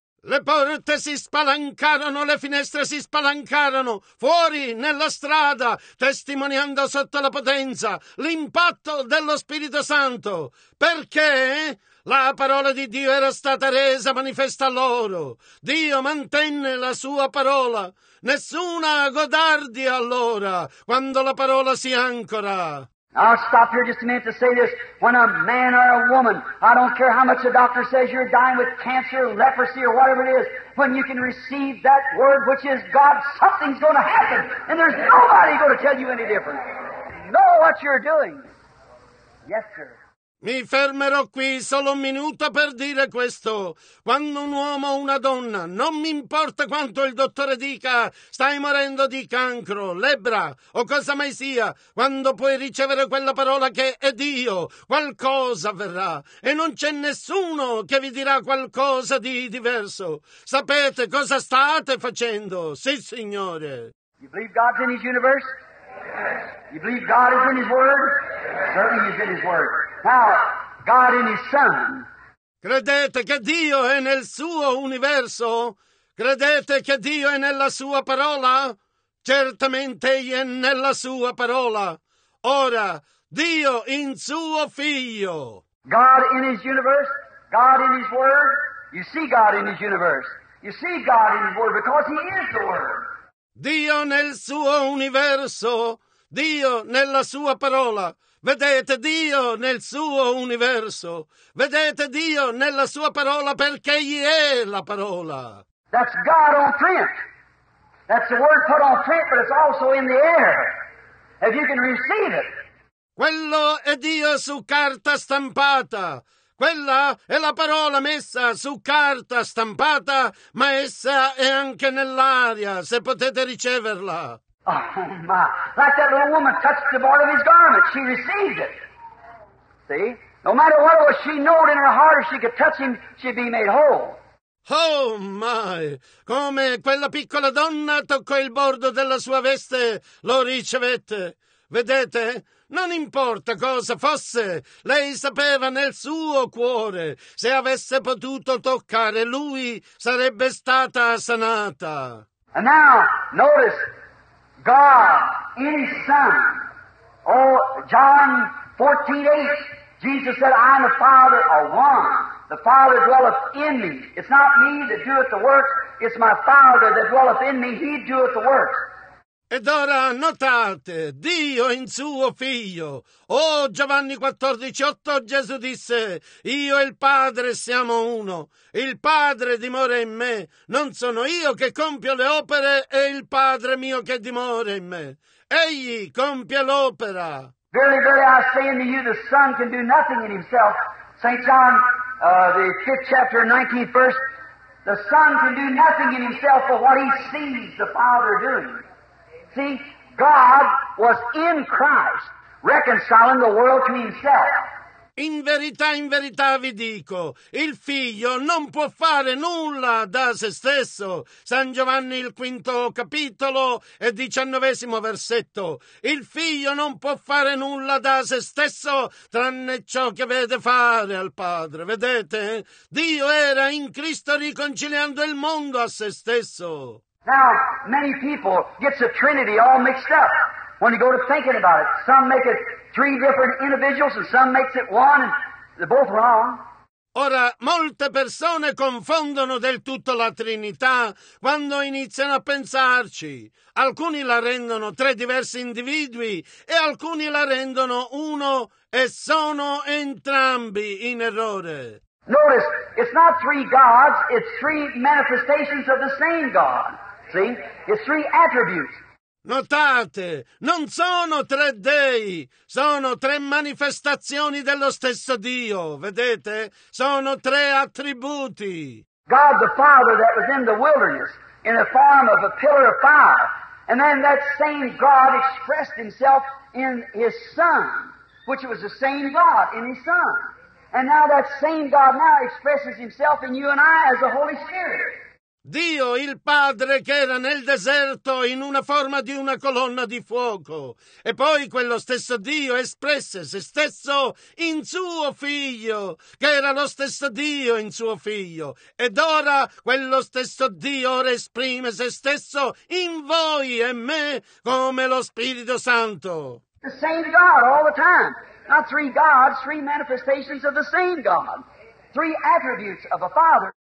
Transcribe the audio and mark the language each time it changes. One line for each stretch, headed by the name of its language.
Italian: Le porte si spalancarono, le finestre si spalancarono, fuori, nella strada, testimoniando sotto la potenza l'impatto dello Spirito Santo, perché la parola di Dio era stata resa manifesta a loro. Dio mantenne la sua parola, nessuna godardia allora, quando la parola si ancora.
English: I'll stop here just a minute to say this. When a man or a woman, I don't care how much the doctor says you're dying with cancer, leprosy, or whatever it is, when you can receive that word which is God, something's going to happen, and there's nobody going to tell you any different. Know what you're doing. Yes, sir.
Italian: Mi fermerò qui solo un minuto per dire questo. Quando un uomo o una donna, non mi importa quanto il dottore dica, stai morendo di cancro, lebbra o cosa mai sia, quando puoi ricevere quella parola che è Dio, qualcosa avverrà. E non c'è nessuno che vi dirà qualcosa di diverso. Sapete cosa state facendo? Sì, Signore.
English: You believe God's in his universe? You believe God is in his word? Certainly he's in his word. Now, God in his son.
Italian: Credete che Dio è nel suo universo? Credete che Dio è nella sua parola? Certamente egli è nella sua parola. Ora, Dio in suo figlio.
English: God in his universe, God in his word. You see God in his universe. You see God in his word because he is the word.
Italian: Dio nel suo universo, Dio nella sua parola. Vedete Dio nel suo universo. Vedete Dio nella sua parola perché egli è la parola.
English: That's God on print. That's the word put on print, but it's also in the air. If you can receive it.
Italian: Quello è Dio su carta stampata. Quella è la parola messa su carta stampata, ma essa è anche nell'aria, se potete riceverla.
English: Oh my, like that little woman touched the bar of his garment, she received it. See? No matter what it was, she knowed in her heart if she could touch him, she'd be made whole. Oh my,
Italian: come quella piccola donna toccò il bordo della sua veste, lo ricevette. Vedete? Non importa cosa fosse, lei sapeva nel suo cuore, se avesse potuto toccare lui, sarebbe stata sanata.
English: And now, notice, God, in his son. Oh, John 14:8, Jesus said, I am the Father of one. The Father dwelleth in me. It's not me that doeth the works, it's my Father that dwelleth in me. He doeth the works.
Italian: Ed ora notate, Dio in suo figlio. Oh, Giovanni 14:8, Gesù disse, io e il Padre siamo uno. Il Padre dimora in me. Non sono io che compio le opere, è il Padre mio che dimora in me. Egli compie l'opera.
English: Verily, verily, I say unto you, the Son can do nothing in himself. St. John, the 5th chapter, 19th verse. The Son can do nothing in himself but what he sees the Father doing. See, God was in Christ, reconciling the world to himself.
Italian: In verità vi dico, il figlio non può fare nulla da se stesso. San Giovanni il 5 capitolo e 19 versetto. Il figlio non può fare nulla da se stesso, tranne ciò che vede fare al Padre. Vedete? Dio era in Cristo riconciliando il mondo a se stesso.
English: Now, many people get the Trinity all mixed up when you go to thinking about it. Some make it three different individuals and some makes it one, and they're both wrong.
Italian: Ora, molte persone confondono del tutto la Trinità quando iniziano a pensarci. Alcuni la rendono tre diversi individui e alcuni la rendono uno e sono entrambi in errore.
English: Notice, it's not three gods, it's three manifestations of the same God. See? It's three attributes.
Italian: Notate, non sono tre dei, sono tre manifestazioni dello stesso Dio, vedete? Sono tre attributi.
English: God the Father that was in the wilderness in the form of a pillar of fire, and then that same God expressed himself in his Son, which was the same God in his Son. And now that same God now expresses himself in you and I as the Holy Spirit.
Italian: Dio, il Padre, che era nel deserto in una forma di una colonna di fuoco. E poi quello stesso Dio espresse se stesso in suo Figlio, che era lo stesso Dio in suo Figlio. Ed ora quello stesso Dio ora esprime se stesso in voi e me come lo Spirito Santo.
English: The same God all the time. Not three gods, three manifestations of the same God. Three attributes of a Father.